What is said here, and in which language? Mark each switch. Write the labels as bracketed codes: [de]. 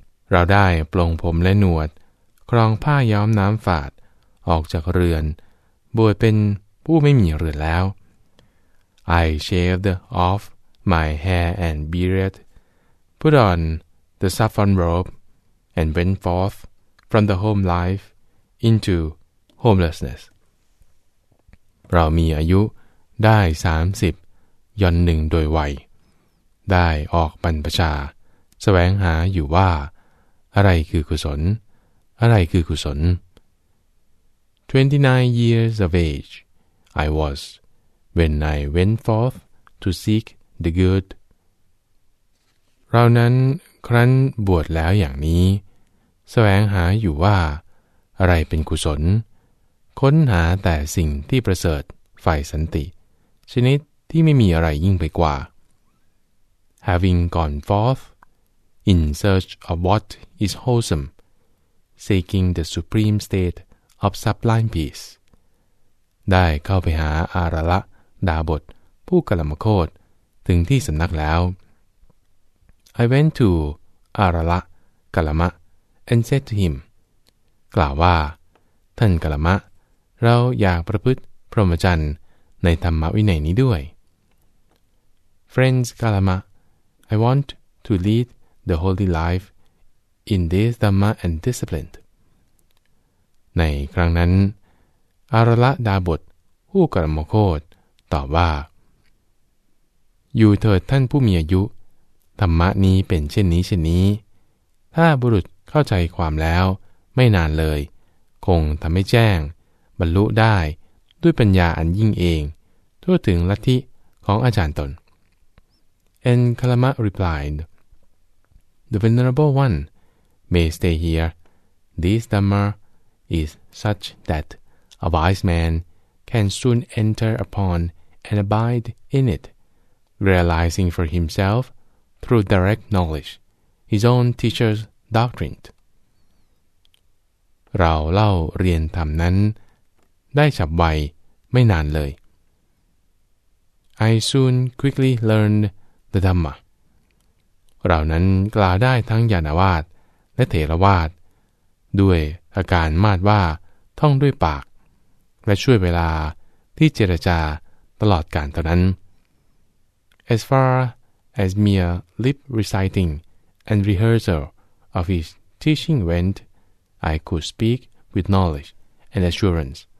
[th] เราได้ปลงผมและหนวดครองผ้าย้อมน้ำฝาดออกจากเรือนบวชเป็นผู้ไม่มีเรือนแล้ว [en] I shaved off my hair and beard, put on the saffron robe, and went forth from the home life into homelessness. [th] เรามีอายุได้30ย่อนหนึ่งโดยวัยได้ออกบรรพชาแสวงหาอยู่ว่าอะไรคือกุศลอะไรคือกุศล [en] 29 years of age, I was, when I went forth to seek the good. [th] เรานั้นครั้นบวชแล้วอย่างนี้แสวงหาอยู่ว่าอะไรเป็นกุศลค้นหาแต่สิ่งที่ประเสริฐฝ่ายสันติชนิดที่ไม่มีอะไรยิ่งไปกว่า [en] Having gone forth in search of what is wholesome, seeking the supreme state,of sublime peace [th] ได้เข้าไปหาอาระละดาบทผู้กลัมมโคตถึงที่สำนักแล้ว [en] I went to อาระละกลัมมะ and said to him [th] กล่าวว่าท่านกลัมมะเราอยากประพฤติพรหมจรรย์ในธรรมวินัยนี้ด้วย [en] Friends กลัมมะ I want to lead the holy life in this dhamma and discipline. [th] ในครั้งนั้นอาระละดาบทผู้กรรมโคตตอบว่าอยู่เถิดท่านผู้มีอายุธรรมะนี้เป็นเช่นนี้เช่นนี้ถ้าบุรุษเข้าใจความแล้วไม่นานเลยคงทำให้แจ้งบรรลุได้ด้วยปัญญาอันยิ่งเองทั่วถึงลัทธิของอาจารย์ตน [en] And Kalama replied The Venerable One may stay here This DhammaIs such that a wise man can soon enter upon and abide in it, realizing for himself through direct knowledge his own teacher's doctrine. [th] เราเล่าเรียนธรรมนั้นได้ฉับไวไม่นานเลย [en] I soon quickly learned the Dhamma. [th] เรานั้นกล่าวได้ทั้งญาณวาทและเถรวาทด้วยอาการมาดว่าท่องด้วยปากและช่วยเวลาที่เจรจาตลอดการเท่านั้น [en] As far as mere lip reciting and rehearsal of his teaching went, I could speak with knowledge and assurance.